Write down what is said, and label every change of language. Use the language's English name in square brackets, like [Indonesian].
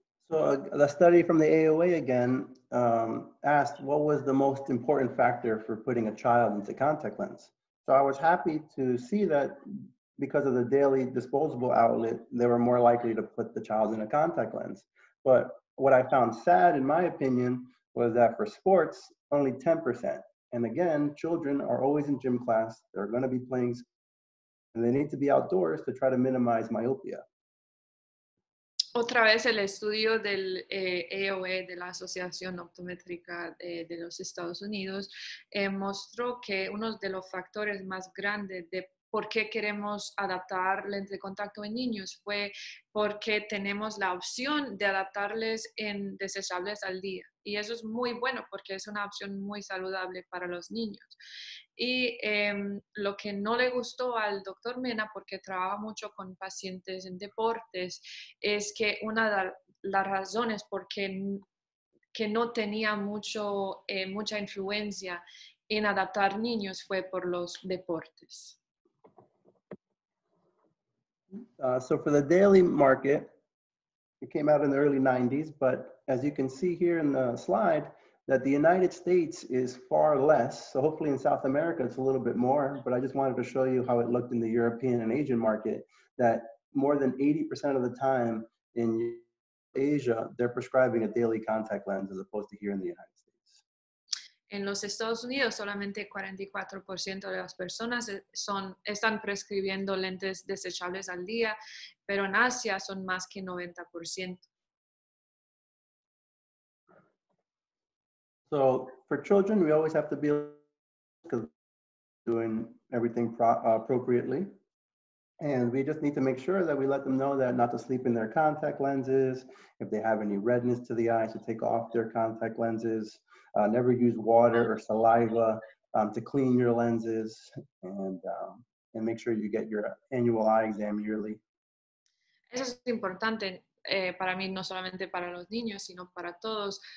[English] So the study from the AOA again asked what was the most important factor for putting a child into contact lens. So I was happy to see that because of the daily disposable outlet, they were more likely to put the child in a contact lens. But what I found sad, in my opinion, was that for sports, only 10%. And again, children are always in gym class, they're going to be playing sports, and they need to be outdoors to try to minimize myopia. [Spanish] Otra vez el estudio del AOA, de la Asociación Optométrica de los Estados Unidos, mostró que uno de los factores más grandes de por qué queremos adaptar lentes de contacto en niños fue porque tenemos la opción de adaptarles en desechables al día. Y eso es muy bueno porque es una opción muy saludable para los niños. Y lo que no le gustó al doctor Mena, porque trabaja mucho con pacientes en deportes, es que una de las razones por que no tenía mucha influencia en adaptar niños fue por los deportes. [English] So for the daily market, it came out in the early 90s, but as you can see here in the slide, that the United States is far less, so hopefully in South America it's a little bit more, but I just wanted to show you how it looked in the European and Asian market, that more than 80% of the time in Asia, they're prescribing a daily contact lens as opposed to here in the United States. [Spanish] En los Estados Unidos, solamente 44% de las personas están prescribiendo lentes desechables al día, pero en Asia son más que 90%. [English] So, for children, we always have to be doing everything appropriately. And we just need to make sure that we let them know that not to sleep in their contact lenses, if they have any redness to the eyes, to take off their contact lenses. Never use water or saliva to clean your lenses, and and make sure you get your annual eye exam yearly. [Spanish] Eso es importante para mí, no solamente para los niños, sino para todos.